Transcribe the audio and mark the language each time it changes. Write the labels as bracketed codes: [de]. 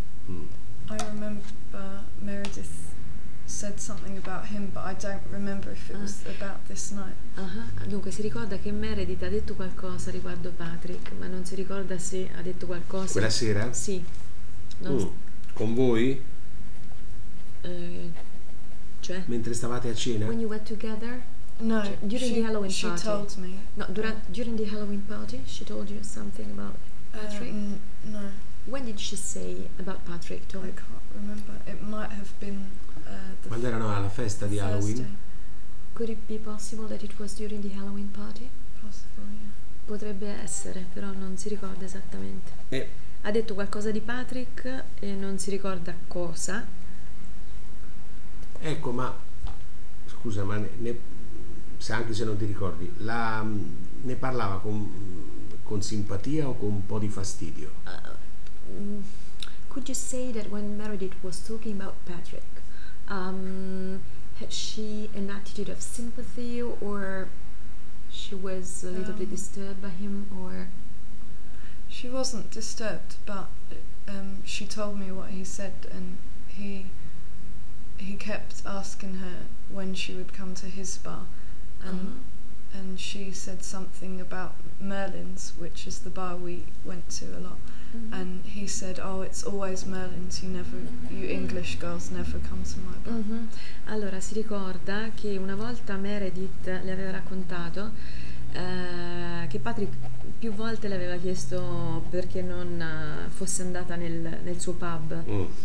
[en] I remember Meredith said something about him, but I don't remember if it was about this night. [it] Dunque si ricorda che Meredith ha detto qualcosa riguardo Patrick, ma non si ricorda se ha detto qualcosa quella sera? Sì. Con voi? Cioè? Mentre stavate a cena? [en] When you were together? No. During the Halloween party. She told me. No, during the Halloween party, she told you something about Patrick? No. When did she say about Patrick? I can't remember. It might have been. [it] Quando erano alla festa di Halloween? [en] Thursday. Could it be possible that it was during the Halloween party? Possibly, yeah. [it] Potrebbe essere, però non si ricorda esattamente. Ha detto qualcosa di Patrick e non si ricorda cosa. Ecco, ma scusa, ma se anche se non ti ricordi, ne parlava con simpatia o con un po' di fastidio? [en] Could you say that when Meredith was talking about Patrick, had she an attitude of sympathy or she was a little bit disturbed by him or? She wasn't disturbed, but she told me what he said, and he kept asking her when she would come to his bar, and she said something about Merlin's, which is the bar we went to a lot, and he said, "Oh, it's always Merlin's. You English girls never come to my bar." Mm-hmm. [it] Allora si ricorda che una volta Meredith le aveva raccontato che Patrick più volte le aveva chiesto perché non fosse andata nel suo pub. Mm.